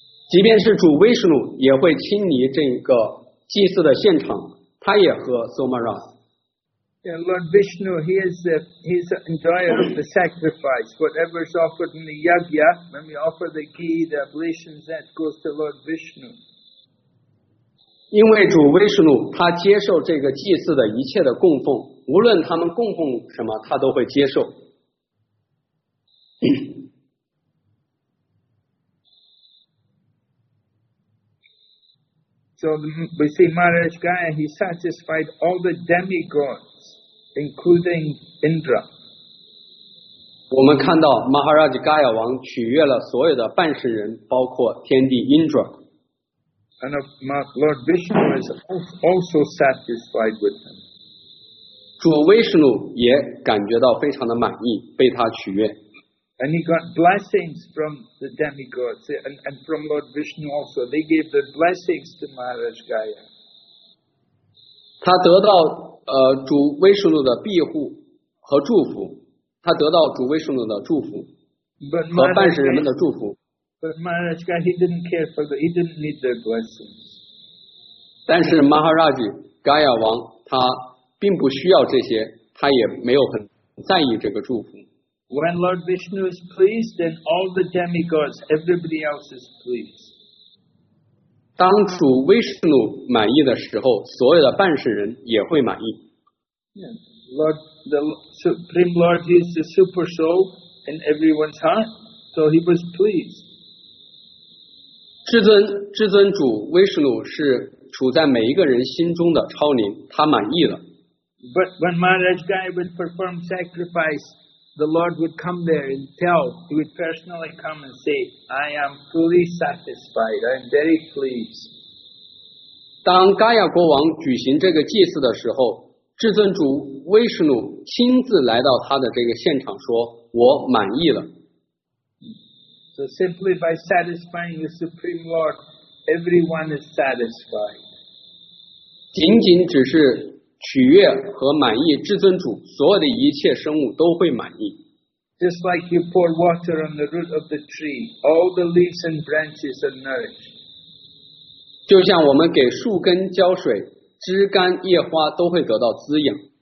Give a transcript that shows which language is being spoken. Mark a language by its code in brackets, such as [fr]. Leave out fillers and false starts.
[zh] 即便是主威士努也会亲临这个祭祀的现场，他也喝 somaras. [en] Yeah, Lord Vishnu, he is an enjoyer of the sacrifice. Whatever is offered in the yagya, when we offer the ghee, the oblations, that goes to Lord Vishnu. [zh] 因为主威士禄他接受这个祭祀的一切的供奉，无论他们供奉什么，他都会接受。 [en] So we see Maharaj Gaya, he satisfied all the demigods, including Indra. [zh] 我们看到 Maharaj Gaya 王取悦了所有的半神人，包括天帝 Indra。 [en] And of Lord Vishnu is also satisfied with him. [zh] 主威士禄也感觉到非常的满意，被他取悦。 [en] And he got blessings from the demigods and from Lord Vishnu also. They gave the blessings to Maharaj Gaya. [zh] 他得到主威士禄的庇护和祝福，他得到主威士禄的祝福和半神人们的祝福。 [en] But Maharaj Gaya, he didn't care for the, he didn't need their blessings. [zh] 但是 Maharaj Gaya 王他并不需要这些，他也没有很在意这个祝福。 [en] When Lord Vishnu is pleased, then all the demigods, everybody else is pleased. [zh] 当主威士禄满意的时候，所有的半神人也会满意。 [en] Yeah, Lord, the Supreme Lord is the super soul in everyone's heart, so he was pleased. [zh] 至尊主威士禄是处在每一个人心中的超灵，他满意了。 [en] But when Maharaj Gaya would perform sacrifice, the Lord would come there and tell. He would personally come and say, "I am fully satisfied. I am very pleased." [zh] 当伽亚国王举行这个祭祀的时候，至尊主威士禄亲自来到他的这个现场，说：“我满意了。” [en] So simply by satisfying the Supreme Lord, everyone is satisfied. [zh] 仅仅只是取悦和满意至尊主，所有的一切生物都会满意。 [en] Just like you pour water on the root of the tree, all the leaves and branches are nourished. [zh] 就像我们给树根浇水，枝干叶花都会得到滋养。